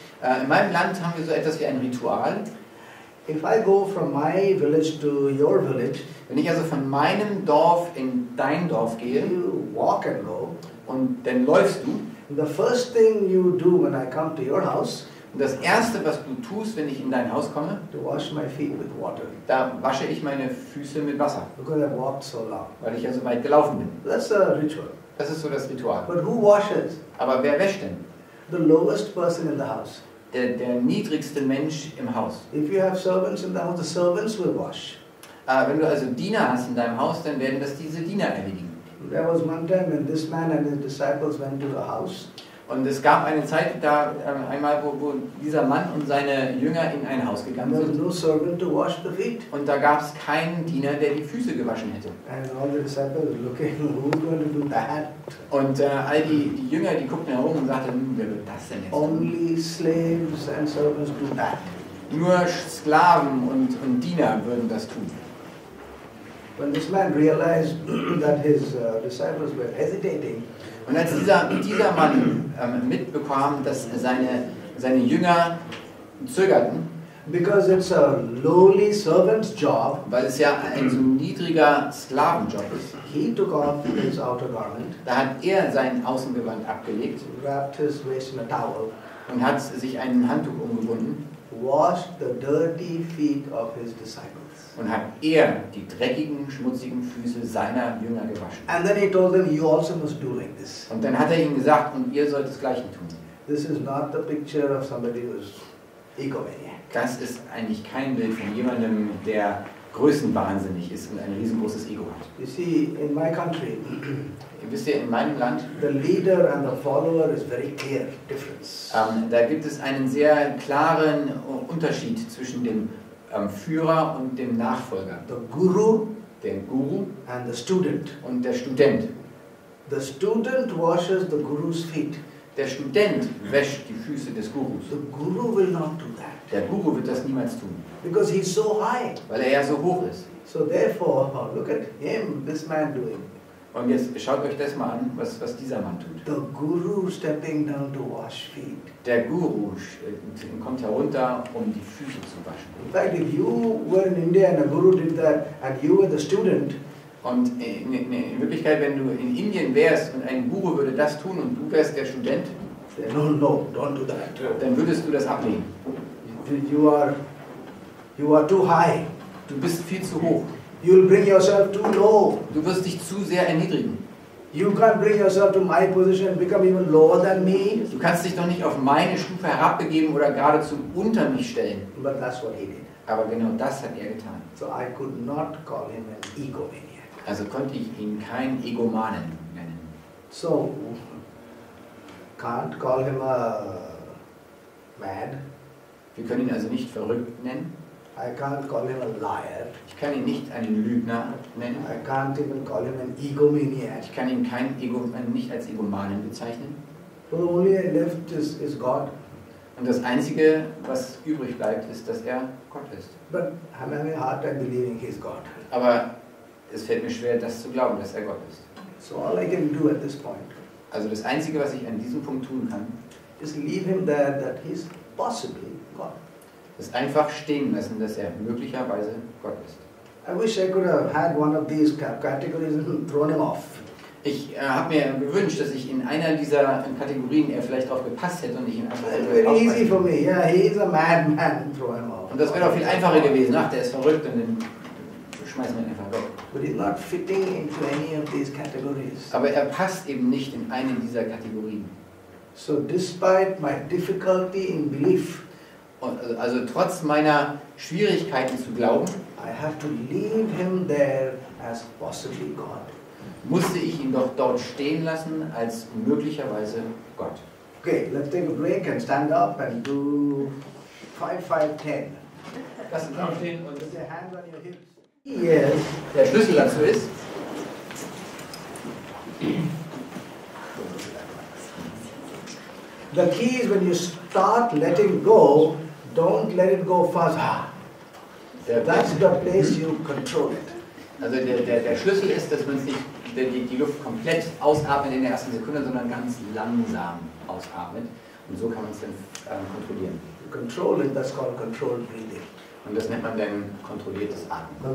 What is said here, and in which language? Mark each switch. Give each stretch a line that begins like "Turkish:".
German: In meinem Land haben wir so etwas wie ein Ritual.
English: If I go from my village to your village,
German: wenn ich also von meinem Dorf in dein Dorf gehe,
English: you walk and go,
German: und dann läufst du,
English: the first thing you do when I come to your house,
German: das erste, was du tust, wenn ich in dein Haus komme,
English: to wash my feet with water,
German: da wasche ich meine Füße mit Wasser,
English: because I walked so long,
German: weil ich also weit gelaufen bin.
English: That's a ritual.
German: Das ist so das Ritual.
English: But who washes?
German: Aber wer wäscht denn?
English: The lowest person in the house.
German: Der niedrigste Mensch im Haus.
English: If you have servants in the house, the servants will wash.
German: Wenn du also Diener hast in deinem Haus, dann werden das diese Diener erledigen.
English: There was one time when this man and his disciples went to a house.
German: Und es gab eine Zeit da einmal, wo dieser Mann und seine Jünger in ein Haus gegangen sind.
English: No servant to wash the feet.
German: Und da gab es keinen Diener, der die Füße gewaschen hätte.
English: And all the disciples looking, who's going to do that?
German: Und all die Jünger, die guckten herum und sagten, wer wird das denn jetzt tun?
English: Only slaves and servants do that.
German: Nur Sklaven und Diener würden das tun.
English: When this man realized that his disciples were hesitating.
German: Und als dieser Mann mitbekam, dass seine Jünger zögerten,
English: because it's a lowly servant's job,
German: weil es ja ein so niedriger Sklavenjob ist,
English: he took off his outer garment,
German: da hat er sein Außengewand abgelegt,
English: wrapped his waist in a towel,
German: und hat sich ein Handtuch umgebunden,
English: washed the dirty feet of his disciples.
German: Und hat er die dreckigen, schmutzigen Füße seiner Jünger gewaschen.
English: And then he told them, you also must do like this.
German: Und dann hat er ihnen gesagt, und ihr sollt das Gleiche tun.
English: This is not the picture of somebody who's egomaniac.
German: Das ist eigentlich kein Bild von jemandem, der größenwahnsinnig ist und ein riesengroßes Ego hat.
English: You see, in my country,
German: wisst ihr, in meinem Land,
English: the leader and the follower is very clear difference.
German: Da gibt es einen sehr klaren Unterschied zwischen dem Führer und dem Nachfolger.
English: The Guru,
German: den Guru,
English: and the student.
German: Und der Student.
English: The student washes the Guru's feet.
German: Der Student wäscht die Füße des Gurus.
English: The Guru will not do that.
German: Der Guru wird das niemals tun.
English: Because he's so high.
German: Weil er ja so hoch ist.
English: So therefore, look at him, this man doing.
German: Und jetzt schaut euch das mal an, was dieser Mann tut.
English: The Guru stepping down to wash feet.
German: Der Guru kommt herunter, um die Füße zu waschen.
English: In fact, if you were in India and a Guru did that and you were the student.
German: Und in Wirklichkeit, wenn du in Indien wärst und ein Guru würde das tun und du wärst der Student,
English: then no, don't do that.
German: Dann würdest du das ablehnen.
English: You are too high.
German: Du bist viel zu hoch.
English: You'll bring yourself too low.
German: Du wirst dich zu sehr erniedrigen.
English: You can't bring yourself to my position and become even lower than me.
German: Du kannst dich doch nicht auf meine Stufe herabbegeben oder geradezu unter mich stellen.
English: But that's what he did.
German: Aber genau das hat er getan.
English: So I could not call him an egomaniac.
German: Also konnte ich ihn kein Egomanen nennen.
English: So can't call him a mad.
German: Wir können ihn also nicht verrückt nennen.
English: I can't call him a liar.
German: Ich kann ihn nicht einen Lügner nennen.
English: I can't even call him an egomaniac.
German: Ich kann ihn nicht als Egomanen bezeichnen.
English: The only thing left is God.
German: Und das Einzige, was übrig bleibt, ist, dass er Gott ist.
English: But I'm having a hard time believing he's God.
German: Aber es fällt mir schwer, das zu glauben, dass er Gott ist.
English: So all I can do at this point.
German: Also das Einzige, was ich an diesem Punkt tun kann,
English: is leave him there that he's possibly God.
German: Ist einfach stehen lassen, dass er möglicherweise Gott ist.
English: I wish I could have had one of these categories and thrown him off.
German: Ich habe mir gewünscht, dass ich in einer dieser Kategorien er vielleicht drauf gepasst hätte und ich ihn einfach
English: easy for me. Yeah, he is a madman. Throw him off.
German: Und das wäre auch viel einfacher gewesen. Ach, der ist verrückt und dann schmeißen wir ihn einfach weg.
English: But he's not fitting into any of these categories.
German: Aber er passt eben nicht in eine dieser Kategorien.
English: So despite my difficulty in belief.
German: Also trotz meiner Schwierigkeiten zu glauben,
English: I have to leave him there as possibly God.
German: Musste ich ihn doch dort stehen lassen als möglicherweise Gott.
English: Okay, let's take a break and stand up and do 5-5-10.
German: Lass uns aufstehen und
English: put your hands on your hips.
German: Yes. Der Schlüssel dazu ist.
English: The key is when you start letting go. Don't let it go further. That's the place you control it.
German: Also der Schlüssel ist, dass man nicht die Luft komplett ausatmet in der ersten Sekunde, sondern ganz langsam ausatmet. Und so kann man es dann kontrollieren.
English: Control it, that's called controlled breathing.
German: Und das nennt man dann kontrolliertes Atmen.